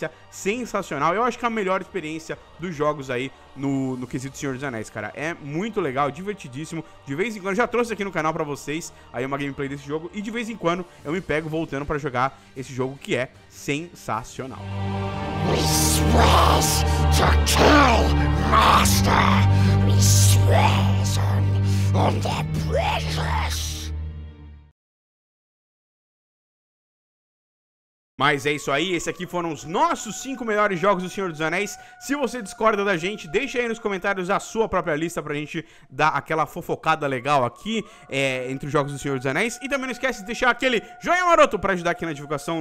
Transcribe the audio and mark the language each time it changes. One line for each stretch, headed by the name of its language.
Portuguese: sensacional, eu acho que é a melhor experiência dos jogos aí no quesito Senhor dos Anéis, cara, é muito legal, divertidíssimo, de vez em quando, já trouxe aqui no canal pra vocês aí uma gameplay desse jogo e de vez em quando eu me pego voltando pra jogar esse jogo que é sensacional.
English: We swears to kill, master. We swears on the precious.
Portuguese: Mas é isso aí, esses aqui foram os nossos 5 melhores jogos do Senhor dos Anéis. Se você discorda da gente, deixa aí nos comentários a sua própria lista pra gente dar aquela fofocada legal aqui entre os jogos do Senhor dos Anéis. E também não esquece de deixar aquele joinha maroto pra ajudar aqui na divulgação.